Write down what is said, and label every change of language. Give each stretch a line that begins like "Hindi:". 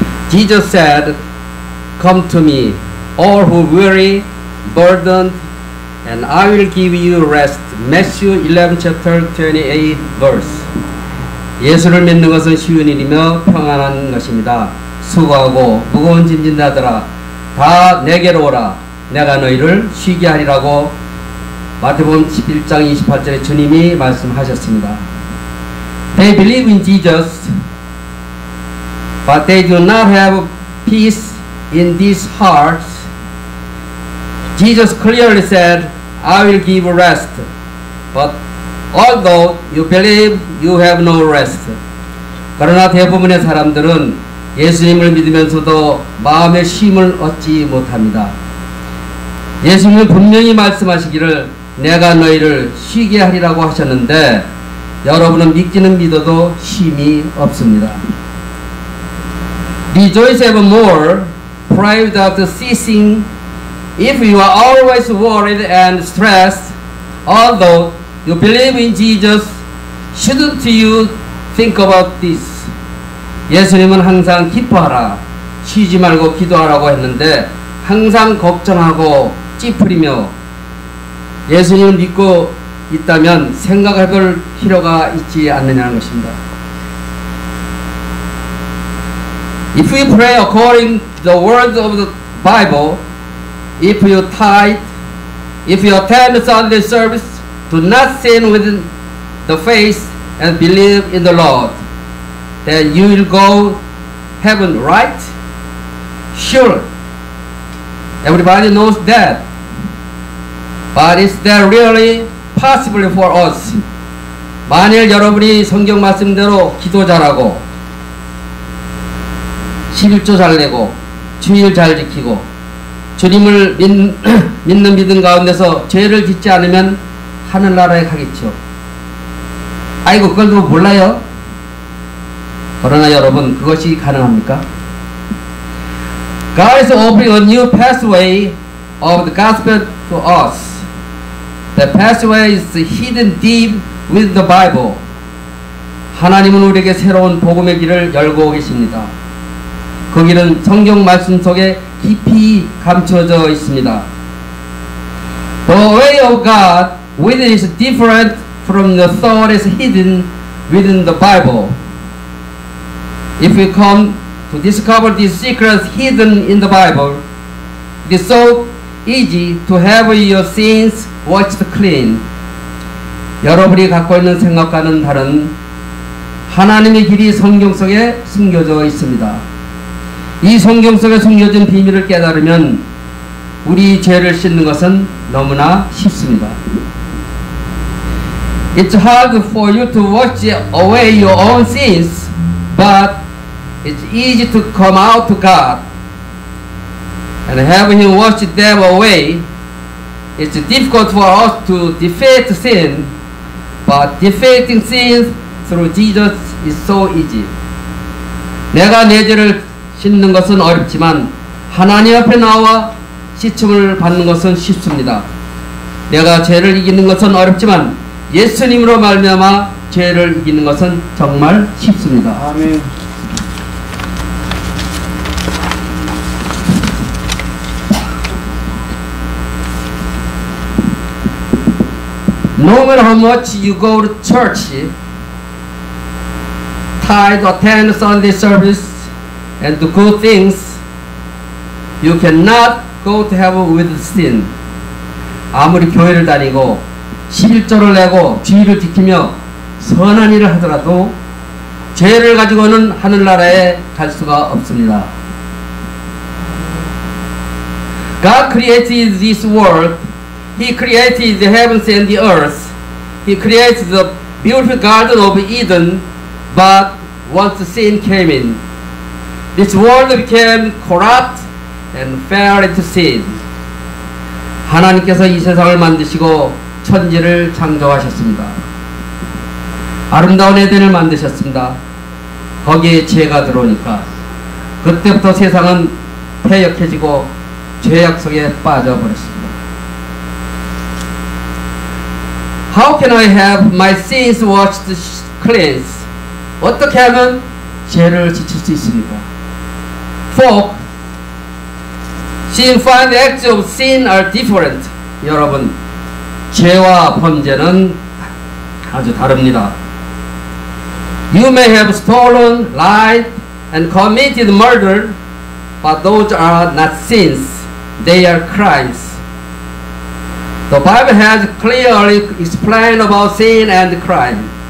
English: Jesus said, Come to me, all who weary, burdened, and I will give you rest. Matthew 11, chapter 28, verse.
Korean: 예수를 믿는 것은 쉬운 일이며 평안한 것입니다. 수고하고 무거운 짐진 나더라. 다 내게로 오라. 내가 너희를 쉬게 하리라고 마태복음 11장 28절에 주님이 말씀하셨습니다.
English: They believe in Jesus, but they do not have peace in these hearts. Jesus clearly said, I will give rest. But although you believe, you have no rest.
Korean: 그러나 대부분의 사람들은 예수님을 믿으면서도 마음의 쉼을 얻지 못합니다. 예수님은 분명히 말씀하시기를 내가 너희를 쉬게 하리라고 하셨는데 여러분은 믿기는 믿어도 쉼이 없습니다.
English: Rejoice evermore, pray without ceasing. If you are always worried and stressed, although you believe in Jesus, shouldn't you think about this?
Korean: 예수님은 항상 기뻐하라, 쉬지 말고 기도하라고 했는데 항상 걱정하고 찌푸리며 예수님을 믿고 있다면 생각할 걸 필요가 있지 않느냐는 것입니다.
English: If we pray according to the words of the Bible, if you tithe, if you attend Sunday service, do not sin with the faith and believe in the Lord. Then you will go heaven, right? Sure. Everybody knows that. But is that really possible for us?
Korean: 만일 여러분이 성경 말씀대로 기도 잘하고 십일조 잘 내고 주일 잘 지키고 주님을 믿는 믿음 가운데서 죄를 짓지 않으면 하늘나라에 가겠죠. 아이고 그걸 누가 몰라요? 그러나 여러분 그것이 가능합니까?
English: God is opening a new pathway of the gospel to us. The pathway is hidden deep within the Bible.
Korean: 하나님은 우리에게 새로운 복음의 길을 열고 계십니다. 그 길은 성경 말씀 속에 깊이 감춰져 있습니다.
English: The way of God within is different from the thought is hidden within the Bible. If we come to discover these secrets hidden in the Bible, it is so easy to have your sins washed clean.
Korean: 여러분이 갖고 있는 생각과는 다른 하나님의 길이 성경 속에 숨겨져 있습니다. 이 성경 속에 숨겨진 비밀을 깨달으면 우리 죄를 씻는 것은 너무나 쉽습니다.
English: It's hard for you to wash away your own sins, but it's easy to come out to God and have Him wash them away. It's difficult for us to defeat sin, but defeating sin through Jesus is so easy.
Korean: 내가 내 죄를 씻는 것은 어렵지만 하나님 앞에 나와 씻음을 받는 것은 쉽습니다. 내가 죄를 이기는 것은 어렵지만 예수님으로 말미암아 죄를 이기는 것은 정말 쉽습니다. 아멘. 네.
English: No matter how much you go to church, tithe, attend Sunday service, and do good things, you cannot go to heaven with sin.
Korean: 아무리 교회를 다니고 십일조를 내고 주의를 지키며 선한 일을 하더라도 죄를 가지고는 하늘나라에 갈 수가 없습니다.
English: God created this world. He created the heavens and the earth. He created the beautiful garden of Eden. But once sin came in, this world became corrupt and fell into sin.
Korean: 하나님께서 이 세상을 만드시고 천지를 창조하셨습니다. 아름다운 에덴을 만드셨습니다. 거기에 죄가 들어오니까 그때부터 세상은 패역해지고 죄악 속에 빠져버렸습니다.
English: How can I have my sins washed clean?
Korean: 어떻게 하면 죄를 지칠 수 있습니까?
English: For sin and the acts of sin are different.
Korean: 여러분, 죄와 범죄는 아주 다릅니다.
English: You may have stolen, lied, and committed murder, but those are not sins. They are crimes. The Bible has clearly explained about sin and crime.